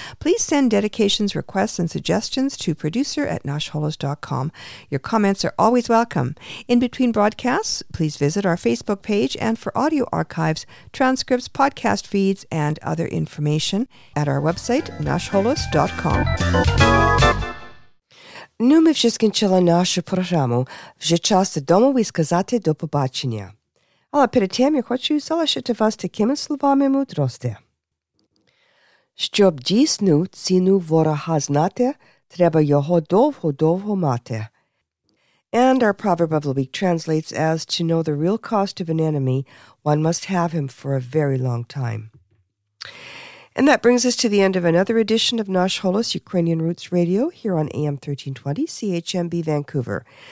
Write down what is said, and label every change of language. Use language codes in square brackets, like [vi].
[en] Please send dedications, requests, and suggestions to producer at nashholos.com. Your comments are always welcome. In between broadcasts, please visit our Facebook page and for audio archives, transcripts, podcast feeds, and other information at our website, nashholos.com. [uk] Ну, ми вже скінчили нашу програму. Вже час домові сказати до побачення. Але перед тим я хочу залишити вас такими словами мудрості. Щоб дійсну ціну ворога знати, треба його довго-довго мати. [en] And our proverb of the week translates as, to know the real cost of an enemy, one must have him for a very long time. And that brings us to the end of another edition of Nash Holos Ukrainian Roots Radio here on AM 1320 CHMB Vancouver.